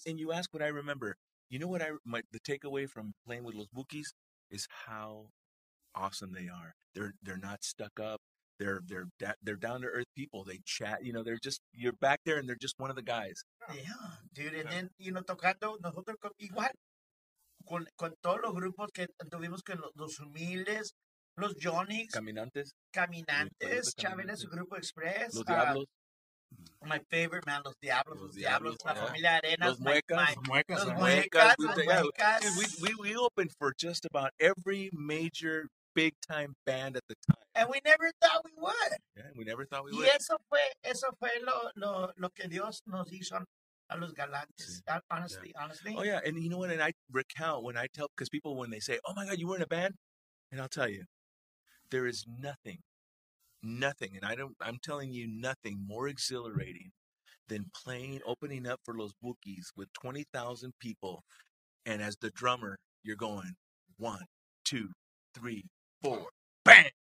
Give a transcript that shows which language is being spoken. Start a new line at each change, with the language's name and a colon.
English: And you ask what I remember. You know what the takeaway from playing with Los Bukis is how awesome they are. They're not stuck up. They're down to earth people. They chat. You know, they're just, you're back there and they're just one of the guys. Yeah, dude. And then, you know,
Spanish: tocando nosotros igual. Con todos los grupos que tuvimos, que los Humildes, los Johnnys, Caminantes, Chávez, su grupo Express, Los Diablos.
English: My favorite, man, Los Diablos, Los Diablos, yeah. La Familia Arenas, Los Muecas, Los Muecas. We opened for just about every major big time band at the time. And we never thought we would. Yeah, we never thought we
Spanish: y
English: would.
Spanish: Y eso fue lo que Dios nos hizo. A los galantes, honestly.
English: Oh, yeah, and you know what? And I recount when I tell, because people, when they say, oh my God, you were in a band, and I'll tell you, there is nothing, and I'm telling you, nothing more exhilarating than playing, opening up for Los Bukis with 20,000 people, and as the drummer, you're going 1, 2, 3, 4, bam!